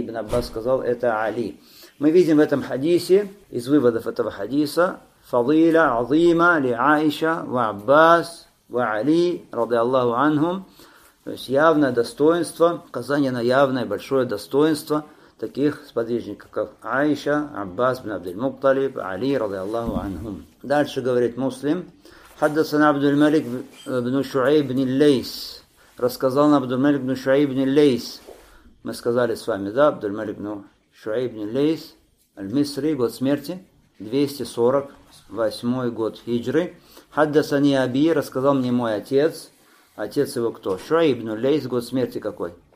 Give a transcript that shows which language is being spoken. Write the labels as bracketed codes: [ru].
[ru] Ибн Аббас сказал, это Али. Мы видим в этом хадисе, из выводов этого хадиса, [ar] فضيلة عظيمة لعائشة وعباس وعلي رضي الله عنهم. [ru] То есть явное достоинство, указание на явное большое достоинство таких сподвижников, как Аиша, Аббас бин Абдель-Мукталиб, Али [ar] رضي الله عنهم. [ru] Дальше говорит Муслим, [ar] حدثنا عبد الملك بن شعيب بن الليس. [ru] Рассказал нам [ar] عبد الملك بن شعيب بن الليس. [ru] Мы сказали с вами, да, [ar] عبد الملك بن شعيب بن الليس, المصري, [ru] год смерти 248 год хиджры. [ar] Хаддасани Аби, [ru] рассказал мне мой отец. Отец его кто? Шуайб ибн Лейс, год смерти какой?